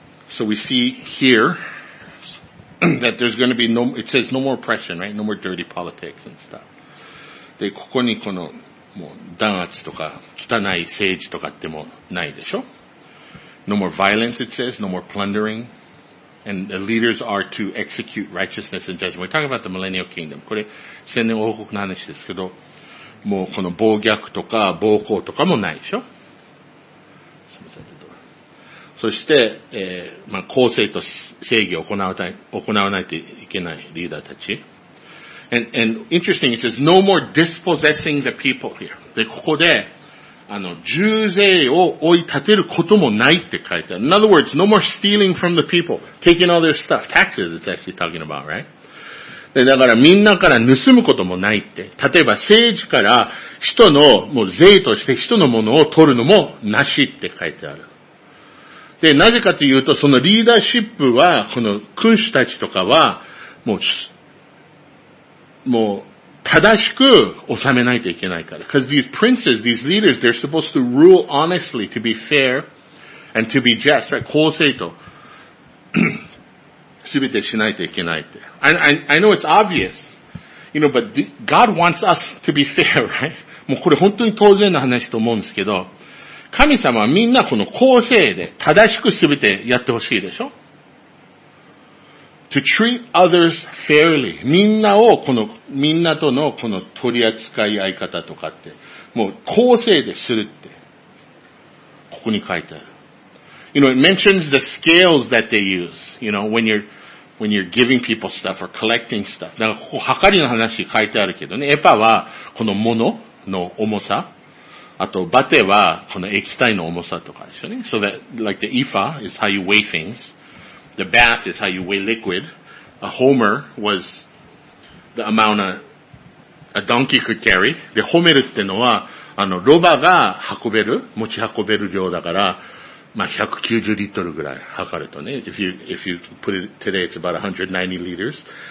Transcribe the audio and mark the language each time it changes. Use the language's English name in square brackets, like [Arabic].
[English] So we see here that there's going to be no, it says no more oppression, right? No more dirty politics and stuff. [Japanese] で、ここにこの、もう弾圧とか汚い政治とかってもないでしょ。 [English] No more violence, it says, no more plundering. And the leaders are to execute righteousness and judgment. We're talking about the millennial kingdom. [Japanese] これ、千年王国の話ですけど、もうこの暴虐とか暴行とかもないでしょ。すみません。そして、まあ、公正と正義を行わないといけないリーダーたち。 [English] And interesting, it says no more dispossessing the people here. [Japanese] で、ここで、あの、重税を追い立てることもないって書いてある。 [English] In other words, no more stealing from the people, taking all their stuff. Taxes, it's actually talking about, right? [Japanese] で、だからみんなから盗むこともないって。例えば政治から人の、もう税として人のものを取るのもなしって書いてある。で、なぜかというと、そのリーダーシップは、この君主たちとかは、もう、正しく治めないといけないから。 [English] Because these princes, these leaders, they're supposed to rule honestly, to be fair, and to be just, right? [Japanese] 公正と、すべてしないといけないって。 [English] I know it's obvious, you know, but God wants us to be fair, right? [Japanese] もうこれ本当に当然の話と思うんですけど、神様はみんなこの公正で正しくすべてやってほしいでしょ。 [English] To treat others fairly. [Japanese] みんなをこの、みんなとのこの取り扱い合い方とかって、もう公正でするって、ここに書いてある。 [English] You know, it mentions the scales that they use, you know, when you're giving people stuff or collecting stuff. [Japanese] だからここ、はかりの話書いてあるけどね、エパはこの物の重さ。あと、バテは、この液体の重さとかですよね。 [English] So that, like the ifa is how you weigh things. The bath is how you weigh liquid. A homer was the amount a donkey could carry. [Japanese] で、ホメルってのは、あの、ロバが持ち運べる量だから、まあ、190リットルぐらい測るとね。 [English] If you put it today, it's about 190 liters.